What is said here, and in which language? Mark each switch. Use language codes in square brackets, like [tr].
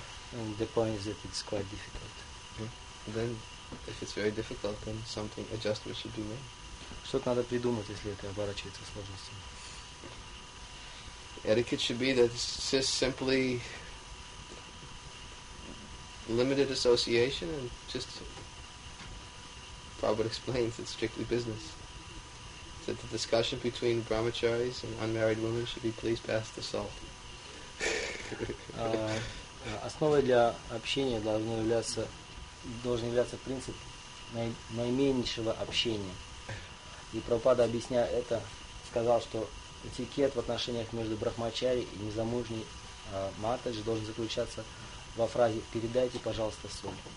[en] And the point is that it's quite difficult. Yeah. Then, if it's very difficult, then something adjustment should be made. [ru] Что-то надо придумать, если это оборачивается сложностью. [en] Etiquette should be that just simply limited association and just Prabhupada explains it's strictly business. That the discussion between brahmacharis and unmarried women should be please pass the salt. [ru] Основой для общения должен являться принцип наименьшего общения. И Прабхупада, объясняя это, сказал, что этикет в отношениях между брахмачари и незамужней матаджи должен заключаться во фразе «передайте, пожалуйста, соль».